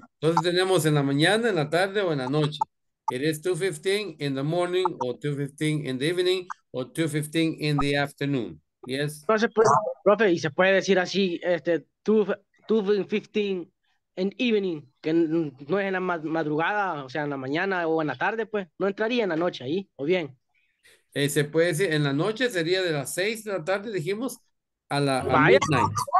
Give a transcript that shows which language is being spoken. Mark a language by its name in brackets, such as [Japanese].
[Spanish] Entonces tenemos en la mañana, en la tarde, o en la noche. [English] It is 2:15 in the morning, or 2:15 in the evening, or 2:15 in the afternoon. Yes. [Spanish] Entonces, pues, profe, y se puede decir así, [English] 2:15 in evening, [Spanish] que no es en la madrugada, o sea, en la mañana o en la tarde, pues, no entraría en la noche ahí, o bien. Se puede decir, en la noche sería de las 6 de la tarde, dijimos, a la a vaya, midnight.